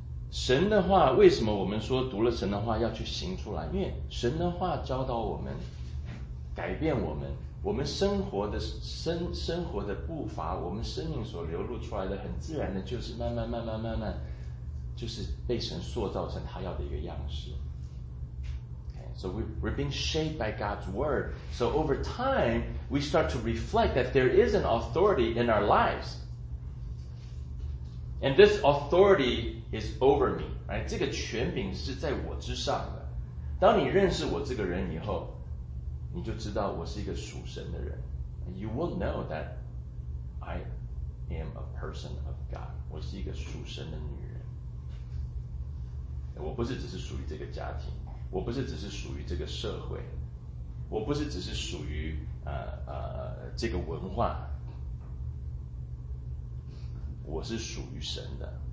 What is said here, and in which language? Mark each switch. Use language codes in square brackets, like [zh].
[zh] 神的话，为什么我们说读了神的话要去行出来？因为神的话教导我们，改变我们，我们生活的步伐，我们生命所流露出来的很自然的，就是慢慢，就是被神塑造成他要的一个样式。 [en] Okay, so we're being shaped by God's word. So over time, we start to reflect that there is an authority in our lives, and this authority. Is over me, right? [zh] 这个权柄是在我之上的。当你认识我这个人以后，你就知道我是一个属神的人。 [en] You will know that I am a person of God. [zh] 我是一个属神的女人。我不是只是属于这个家庭，我不是只是属于这个社会，我不是只是属于这个文化，我是属于神的。